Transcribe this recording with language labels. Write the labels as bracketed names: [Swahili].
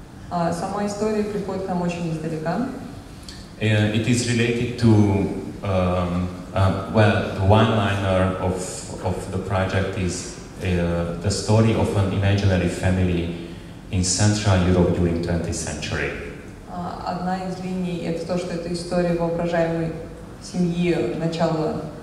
[Russian] Сама история приходит к нам очень издалека. [English] It is related to the one-liner of the project is the story of an imaginary family in Central Europe during 20th century. [Russian] Одна из линий — это то, что это история воображаемой семьи начала